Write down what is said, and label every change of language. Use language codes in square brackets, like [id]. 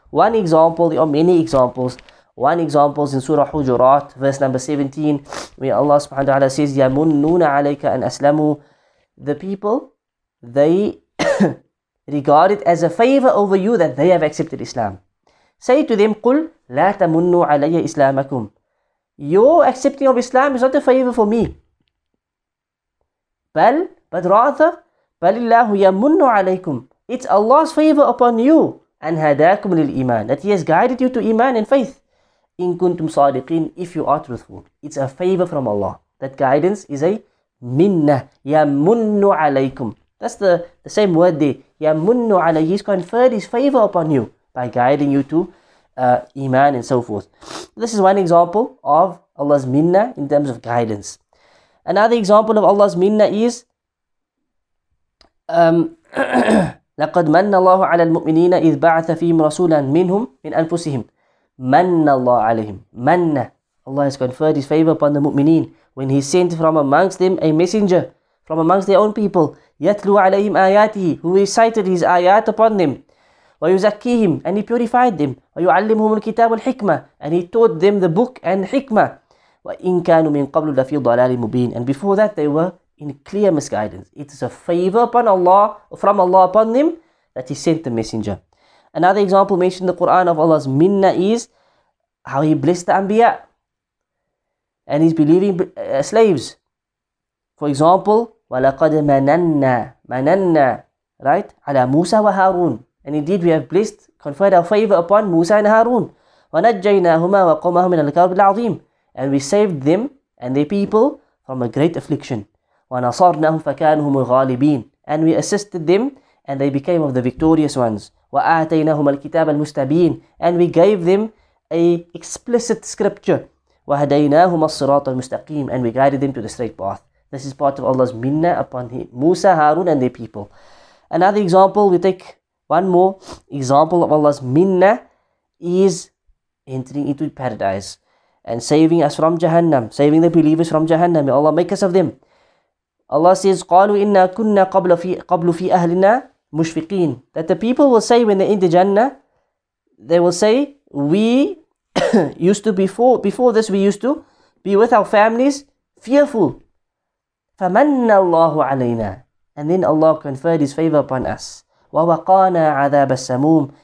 [en] One example, there are many examples. One example is in Surah Hujurat, verse number 17, where Allah subhanahu wa ta'ala says, [ar] يَمُنُّونَ عَلَيْكَ أَنْ أَسْلَمُوا. [en] The people, they regard it as a favor over you that they have accepted Islam. Say to them, [ar] قُلْ لَا تَمُنُّوا عَلَيَّ إِسْلَامَكُمْ. [en] Your accepting of Islam is not a favor for me. [ar] بَلْ اللَّهُ يَمُنُّ عَلَيْكُمْ. [en] It's Allah's favor upon you. [ar] أَنْ هَدَاكُمْ لِلْإِمَانِ. [en] That He has guided you to Iman and faith. [ar] In kuntum sadiqin, [en] if you are truthful. It's a favor from Allah. That guidance is a minnah. [ar] Yamunnu alaykum. [en] That's the same word there. [ar] Yamunnu alayhi. [en] He's conferred His favor upon you by guiding you to Iman and so forth. This is one example of Allah's minnah in terms of guidance. Another example of Allah's minnah is [ar] لَقَدْ مَنَّ اللَّهُ عَلَى الْمُؤْمِنِينَ إِذْ بَعَثَ فِيهِمْ رَسُولًا مِنْهُمْ مِنْ أَنْفُسِهِمْ. Manna Allah alayhim. Manna. [en] Allah has conferred His favor upon the mu'mineen when He sent from amongst them a messenger from amongst their own people. [ar] Yatlu alayhim ayatihi. [en] Who recited His ayat upon them. [ar] Wa yuzakkihim. [en] And He purified them. [ar] Wa yu'allimhum al-kitab al-hikmah. [en] And He taught them the book and hikmah. [ar] Wa in kanu min qablu lafi dhalalin mubin. [en] And before that they were in clear misguidance. It is a favor upon Allah, from Allah upon them, that He sent the messenger. Another example mentioned in the Quran of Allah's minna is how He blessed the Anbiya and His believing slaves. For example, [ar] وَلَقَدْ مَنَنَّا, right, عَلَى مُوسَى وَهَارُونَ. [en] And indeed we have blessed, conferred our favor upon Musa and Harun. [ar] وَنَجَّيْنَاهُمَا وَقَوْمَهُمْ مِنَ الْكَرْبِ الْعَظِيمِ. [en] And we saved them and their people from a great affliction. [ar] وَنَصَرْنَاهُمْ فَكَانُهُمُ الْغَالِبِينَ. [en] And we assisted them and they became of the victorious ones. [ar] وَآتَيْنَهُمَ الْكِتَابَ الْمُسْتَبِينَ. [en] And we gave them a explicit scripture. [ar] وَهَدَيْنَاهُمَ الصِّرَاطَ الْمُسْتَقِيمَ. [en] And we guided them to the straight path. This is part of Allah's minna upon Musa, Harun and their people. Another example, we take one more example of Allah's minna is entering into paradise and saving us from Jahannam, saving the believers from Jahannam. May Allah make us of them. Allah says, [ar] قَالُوا إِنَّا كُنَّا قَبْلُ فِي أَهْلِنَا مُشْفِقِينَ. [en] That the people will say when they're in the Jannah, they will say, we used to, before this we used to be with our families fearful. [ar] فَمَنَّ اللَّهُ عَلَيْنَا. [en] And then Allah conferred His favor upon us. [ar] وَوَقَانَا عَذَابَ السَّمُومِ.